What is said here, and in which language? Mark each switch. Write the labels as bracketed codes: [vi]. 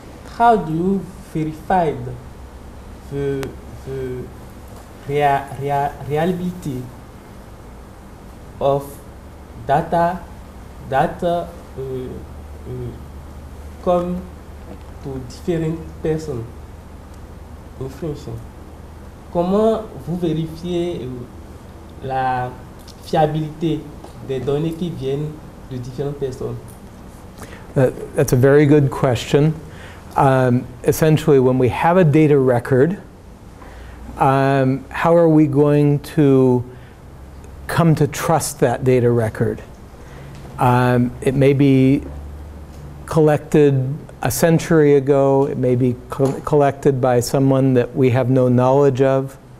[en] How do you verify the reliability of data come to different person information? [fr] Comment vous vérifiez la fiabilité des données qui viennent de différentes personnes? [en] That's a very good question. Essentially, when we have a data record, how are we going to come to trust that data record? It may be collected a century ago, it may be collected by someone that we have no knowledge of.